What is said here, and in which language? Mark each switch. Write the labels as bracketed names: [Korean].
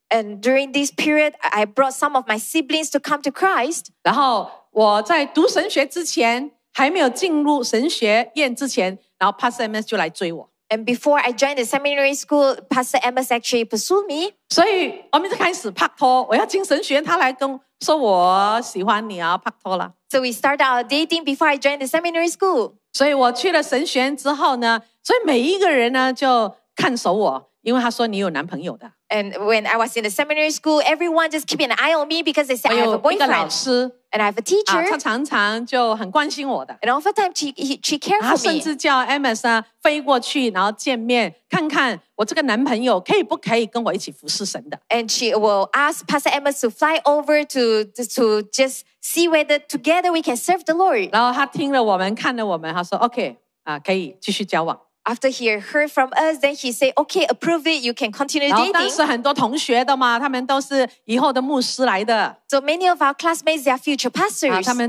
[English] And during this period, I brought some of my siblings to come to Christ [Chinese] 然后我在读神学之前还没有进入神学院之前然后 Pastor Emmons 就来追我 [English] And before I joined the seminary school, Pastor Emma actually pursued me. [Chinese] 所以我们就开始拍拖，我要进神学院，他来跟说我喜欢你啊，拍拖了。 [English] So we started our dating before I joined the seminary school. [Chinese] 所以我去了神学院之后呢，所以每一个人呢就看守我，因为他说你有男朋友的。 [English] And when I was in the seminary school, everyone just keep an eye on me because they said I have a boyfriend. [Chinese] 我有一个老师。 [English] And I have a teacher. [Chinese] 他常常就很关心我的。 [English] And oftentimes she cared for me. [Chinese] 甚至叫 Emma 飞过去，然后见面，看看我这个男朋友可以不可以跟我一起服侍神的。 [English] And she will ask Pastor Emma to fly over to just see whether together we can serve the Lord. [Chinese] 然后他听了我们，看了我们，他说 OK， 可以继续交往。 [English] After he heard from us, then he said, okay, approve it, you can continue dating. [Chinese] 然后当时很多同学的嘛，他们都是以后的牧师来的。 [English] So many of our classmates, they are future pastors.